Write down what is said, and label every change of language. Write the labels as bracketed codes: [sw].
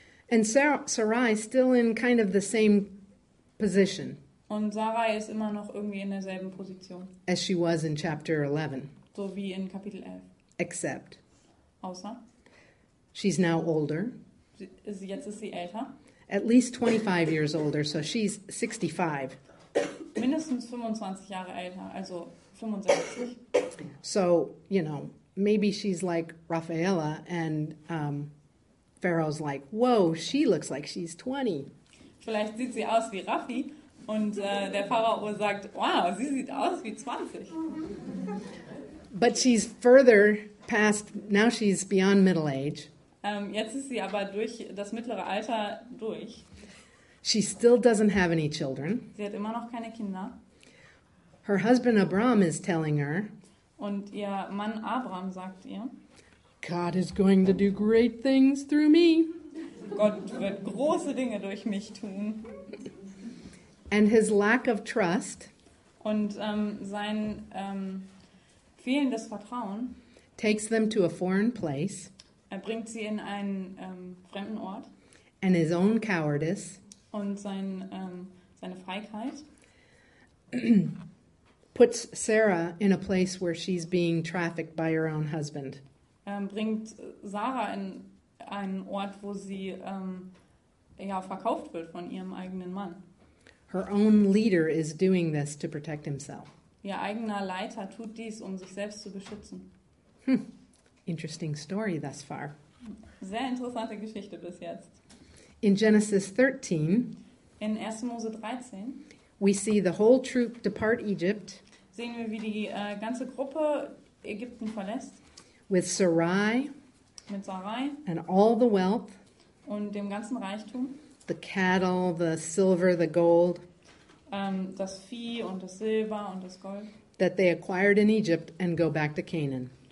[en] And Sarai still in kind of the same position. [de] Und Sarai ist immer noch irgendwie in derselben Position. [en] As she was in chapter 11. [de] So wie in Kapitel 11. [en] Except. [de] Außer. [en] She's now older. [de] Jetzt ist sie älter. [en] At least 25 years older, so she's 65. [de] Mindestens 25 Jahre älter, also 65. [en] So, you know, maybe she's like Raffaella and Pharaoh's like, "Whoa, she looks like she's 20. [de] Vielleicht sieht sie aus wie Raffi und der Pharao sagt, "Wow, sie sieht aus wie 20. [en] But she's further past, now she's beyond middle age. [de] Jetzt ist sie aber durch das mittlere Alter durch. [en] She still doesn't have any children. [de] Sie hat immer noch keine Kinder. [en] Her husband Abram is telling her. [de] Und ihr Mann Abram sagt ihr. [en] God is going to do great things through me. [de] Gott wird große Dinge durch mich tun. [en] And his lack of trust. [de] Und sein fehlendes Vertrauen. [en] Takes them to a foreign place. [de] Er bringt sie in einen fremden Ort. [en] And his own cowardice. [de] Und sein, seine Feigheit. [en] Puts Sarah in a place where she's being trafficked by her own husband. [de] Bringt Sarah in einen Ort, wo sie ja, verkauft wird von ihrem eigenen Mann. [en] Her own leader is doing this to protect himself. [de] Ihr eigener Leiter tut dies, um sich selbst zu beschützen. [en] Interesting story thus far. [de] Sehr interessante Geschichte bis jetzt. [en] In Genesis 13, [de] in 1. Mose 13, [en] we see the whole troop depart Egypt. [de] Sehen wir, wie die ganze Gruppe Ägypten verlässt. [en] With Sarai, [de] mit Sarai, [en] and all the wealth, [de] und dem ganzen Reichtum, [en] the cattle, the silver, the gold, [de] das Vieh und das Silber und das Gold, [en] that they acquired in Egypt and go back to Canaan.